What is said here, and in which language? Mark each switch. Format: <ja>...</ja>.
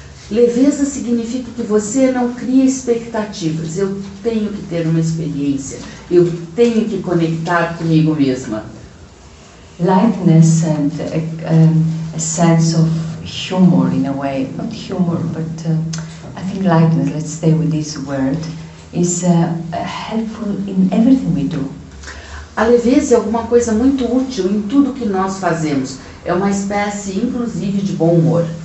<pt>Leveza significa que você não cria expectativas. Eu tenho que ter uma experiência. Eu tenho que conectar comigo mesma.</pt> <en>Lightness and a sense of humor, in a way, not humor, but I think lightness, let's stay with this word, is helpful in everything we do.</en> <pt>A leveza é alguma coisa muito útil em tudo que nós fazemos. É uma espécie, inclusive, de bom humor.</pt>